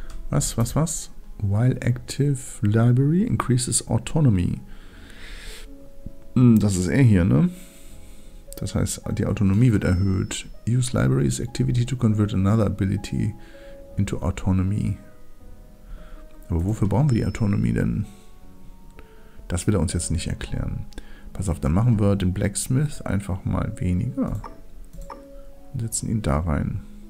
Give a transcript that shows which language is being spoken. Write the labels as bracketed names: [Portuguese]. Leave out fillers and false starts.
[English] Was? While active library increases autonomy. [German] Das ist er hier, ne? Das heißt, die Autonomie wird erhöht. [English] Use library's activity to convert another ability into autonomy. [German] Aber wofür brauchen wir die Autonomie denn? Das will er uns jetzt nicht erklären. Pass auf, dann machen wir den Blacksmith einfach mal weniger. Und setzen ihn da rein.